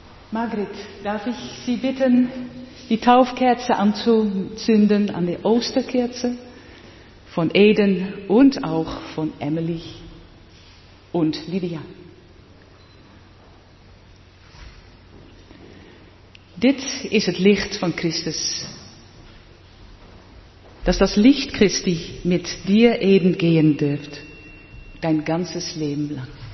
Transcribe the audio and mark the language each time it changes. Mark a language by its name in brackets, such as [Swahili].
[German] Margret, darf ich Sie bitten, die Taufkerze anzuzünden an der Osterkerze von Eden und auch von Emily und Lydia. [Dutch] Dit is het licht van Christus. [German] Dass das Licht Christi mit dir Eden gehen dürft, dein ganzes Leben lang.